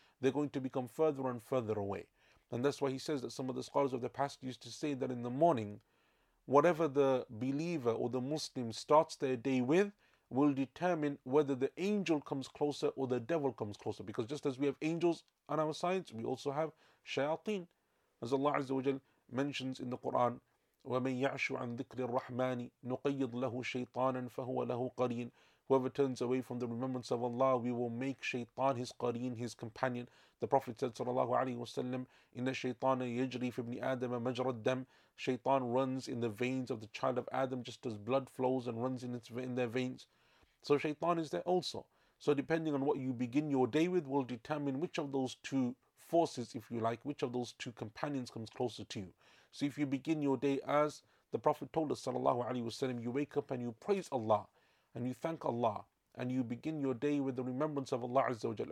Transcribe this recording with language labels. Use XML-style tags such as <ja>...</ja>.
<en>They're going to become further and further away. And that's why he says that some of the scholars of the past used to say that in the morning, whatever the believer or the Muslim starts their day with will determine whether the angel comes closer or the devil comes closer. Because just as we have angels on our sides, we also have shayateen. As Allah Azza wa Jal mentions in the Quran,</en> <ar>وَمَنْ يَعْشُ عَنْ ذِكْرِ الرَّحْمَانِ نُقَيِّضْ لَهُ شَيْطَانًا فَهُوَ لَهُ قَرِينَ.</ar> <en>Whoever turns away from the remembrance of Allah, we will make shaytan his qareen, his companion. The Prophet said,</en> <ar>sallallahu alayhi wa sallam, إِنَّ الشَّيْطَانَ يَجْرِي فِي ابْنِ آدَمَ مَجْرَ الدَّمِ.</ar> <en>Shaytan runs in the veins of the child of Adam, just as blood flows and runs in their veins. So shaytan is there also. So depending on what you begin your day with will determine which of those two forces, if you like, which of those two companions comes closer to you. So if you begin your day as the Prophet told us, sallallahu alayhi wa sallam, you wake up and you praise Allah, and you thank Allah, and you begin your day with the remembrance of Allah Azza wa Jal.</en>